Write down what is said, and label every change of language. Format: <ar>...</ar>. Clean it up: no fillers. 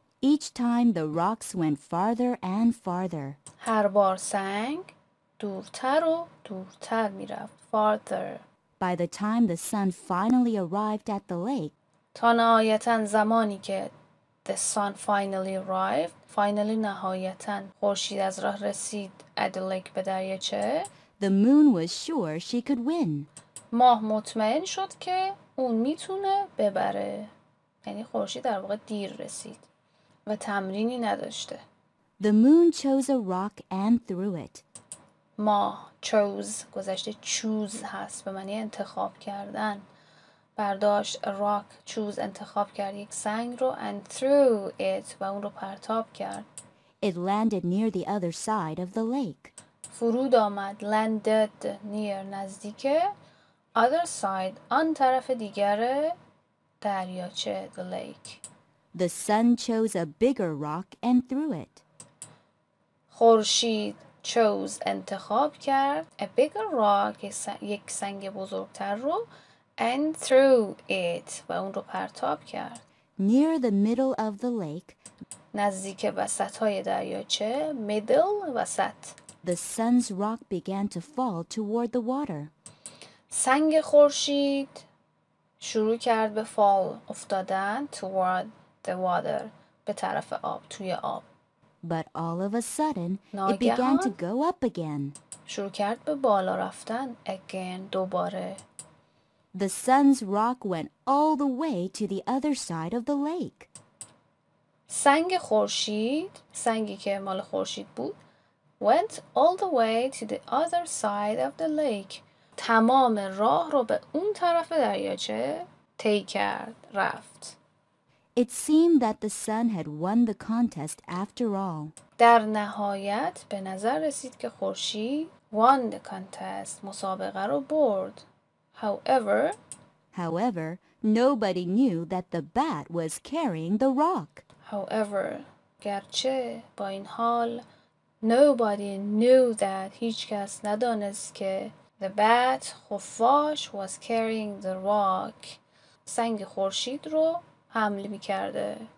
<en>Each time the rocks went farther and farther.</en> <fa>هر بار سنگ دورتر و دورتر می رفت.</fa> <en>Farther. By the time the sun finally arrived at the lake.</en> <fa>تا نهایتاً زمانی که</fa> <en>the sun finally arrived.</en> <fa>Finally نهایتاً خورشید از راه رسید</fa> <en>at the lake</en> <fa>به دریاچه.</fa> <en>The moon was sure she could win.</en> <fa>ماه مطمئن شد که اون می تونه ببره. یعنی خورشید در واقع دیر رسید. و تمرینی نداشته.</fa> <en>The moon chose a rock and threw it.</en> <fa>ماه chose گذشته choose هست به معنی انتخاب کردن. برداشت</fa> <en>rock, choose,</en> <fa>انتخاب کرد یک سنگ رو</fa> <en>and threw it</en> <fa>و اون رو پرتاب کرد.</fa> <en>It landed near the other side of the lake.</en> <fa>فرود آمد</fa> <en>landed near</en> <fa>نزدیک</fa> <en>other side</en> <fa>آن طرف دیگر دریاچه</fa> <en>the lake. The sun chose a bigger rock and threw it.</en> <fa>خورشید chose انتخاب کرد</fa> <en>a bigger rock</en> <fa>یک سنگ بزرگتر رو</fa> <en>and threw it</en> <fa>و اون رو پرتاب کرد.</fa> <en>Near the middle of the lake</en> <fa>نزدیک وسطای دریاچه middle وسط</fa> <en>the sun's rock began to fall toward the water.</en> <fa>سنگ خورشید شروع کرد به fall افتادن</fa> <en>toward the water</en> <fa>به طرف آب توی آب.</fa> <en>But all of a sudden it began to go up again.</en> <fa>شروع کرد به بالا رفتن again دوباره.</fa> <en>The sun's rock went all the way to the other side of the lake.</en> <fa>سنگ خورشید، سنگی که مال خورشید بود،</fa> <en>went all the way to the other side of the lake.</en> <fa>تمام راه رو به اون طرف دریاچه طی کرد، رفت.</fa> <en>It seemed that the sun had won the contest after all.</en> <fa>در نهایت به نظر رسید که خورشید</fa> <en>won the contest،</en> <fa>مسابقه رو برد.</fa> <en>However, nobody knew that the bat was carrying the rock. However,</en> <fa>گرچه با این حال</fa> <en>nobody knew that</en> <fa>هیچ کس ندانست که</fa> <en>the bat</en> <fa>خفاش</fa> <en>was carrying the rock</en> <fa>سنگ خورشید رو حمل می‌کرده.</fa>